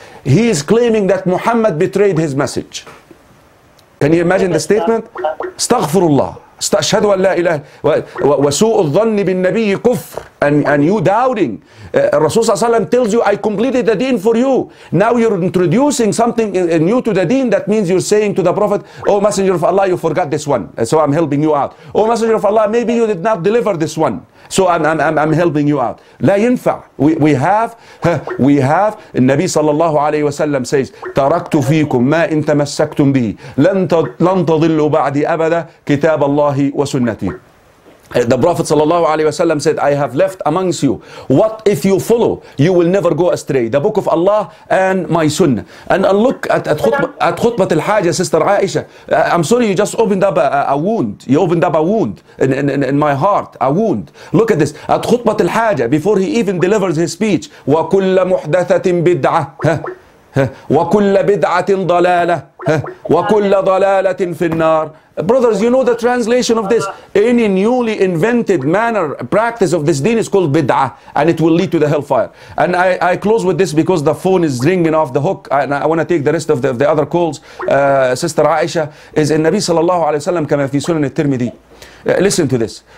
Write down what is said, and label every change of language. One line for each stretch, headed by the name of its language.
English: He is claiming that Muhammad betrayed his message. Can you imagine the statement?
Arabic: استغفر الله استشهد أن لا إله وسوء الظن بالنبي كفر.
English: And you doubting. الرسول صلى الله عليه وسلم tells you I completed the deen for you. Now you're introducing something new to the deen. That means you're saying to the Prophet, oh Messenger of Allah, you forgot this one. So I'm helping you out. Oh Messenger of Allah, maybe you did not deliver this one. So I'm helping you out.
Arabic: لا ينفع.
English: We have
Arabic: النبي صلى الله عليه وسلم says تركت فيكم ما إن تمسكتم به لن تضلوا بعدي أبدا كتاب الله وسنتي.
English: The Prophet صلى الله عليه وسلم said I have left amongst you what if you follow you will never go astray, the book of Allah and my sunnah. And look at خطبة الحاجة sister عائشة. I'm sorry, you just opened up a wound. You opened up a wound in my heart, a wound. Look at this at خطبة الحاجة before he even delivers his speech.
Arabic: وكل محدثة بدعة وكل بدعة ضلالة وكل ضلالة في النار.
English: Brothers, you know the translation of this. Any newly invented manner, practice of this deen is called bid'ah, and it will lead to the hellfire. And I close with this because the phone is ringing off the hook, and I want to take the rest of the other calls. Sister Aisha, is in Nabi sallallahu alayhi wa sallam kama fi sunan al-Tirmidhi. Listen to this.